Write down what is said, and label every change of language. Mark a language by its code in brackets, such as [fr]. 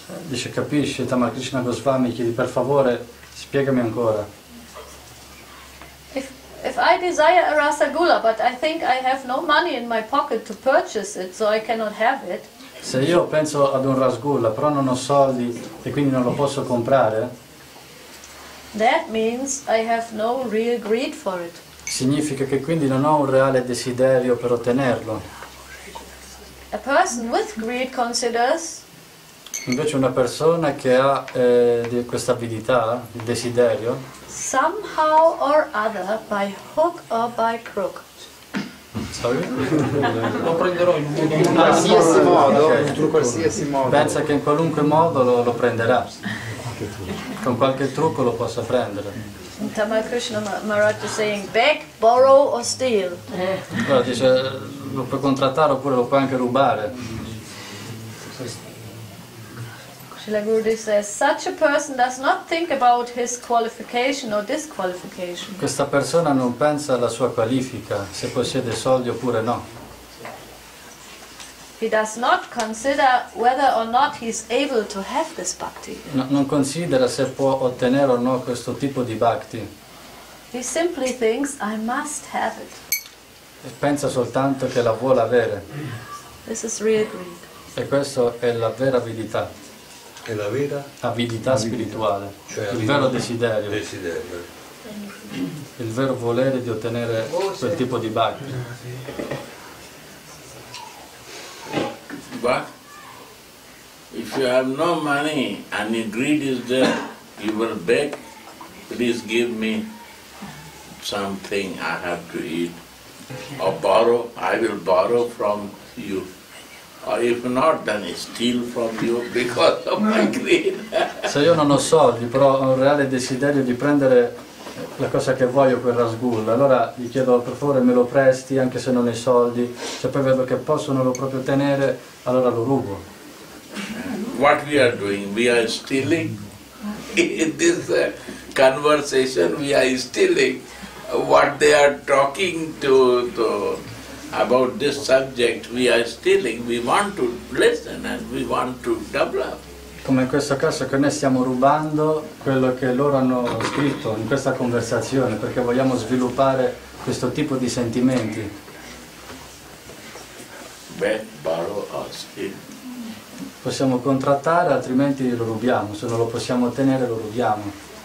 [it] Dice, capisci, Tamal Krishna Goswami, chiedi per favore, spiegami ancora. [en] If I desire a rasagula, but I think I have no money in my pocket to purchase it, so I cannot have it. [it] Se io penso ad un rasagula, però non ho soldi e quindi non lo posso comprare. [en] That means I have no real greed for it. [it] Significa che quindi non ho un reale desiderio per ottenerlo. [en] A person with greed considers. [it] Invece una persona che ha questa avidità, il desiderio. [en] Somehow or other, by hook or by crook. Sorry? [it] Lo prenderò in qualsiasi modo. In qualsiasi modo. Pensa che in qualunque modo lo prenderà. Con qualche trucco lo possa prendere. [en] Tamal Krishna Maharaj is saying, beg, borrow or steal. [it] Allora dice, lo puoi contrattare oppure lo puoi anche rubare. [en] Srila Gurudev says, such a person does not think about his qualification or disqualification. [it] Questa persona non pensa alla sua qualifica, se possiede soldi oppure no. [en] He does not consider whether or not he is able to have this bhakti. [it] Non considera se può ottenere o no questo tipo di bhakti. [en] He simply thinks, I must have it. [it] E pensa soltanto che la vuole avere. [en] This is real greed. [it] E questo è la vera avidità. È la vera avidità spirituale, cioè il vero desiderio. Desiderio. Il vero volere di ottenere quel tipo di bhakti. [en] But if you have no money and your greed is there, you will beg, please give me something I have to eat, or borrow, I will borrow from you, or if not, then I steal from you because of my greed. [it] Se io non ho soldi, però ho un reale desiderio di prendere la cosa che voglio, quel rasgulla, allora gli chiedo per favore me lo presti anche se non hai soldi, se poi vedo che posso non lo proprio tenere, allora lo rubo. [en] What we are doing? We are stealing. In this conversation we are stealing. What they are talking to about this subject, we are stealing. We want to listen and we want to develop. [it] Come in questo caso che noi stiamo rubando quello che loro hanno scritto in questa conversazione, perché vogliamo sviluppare questo tipo di sentimenti. [en] Beh, borrow or steal. [it] Possiamo contrattare, altrimenti lo rubiamo, se non lo possiamo ottenere lo rubiamo.